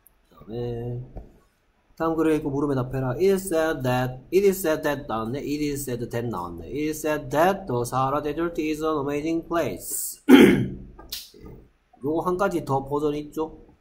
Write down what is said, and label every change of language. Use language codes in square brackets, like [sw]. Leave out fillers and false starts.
[ko] 다음에 다음 글을 읽고 물음에 답해라. [en] It is said that [ko] 나왔네. [en] It is said that the Sahara Desert is an amazing place. [ko] 요거 한 가지 더 버전 있죠?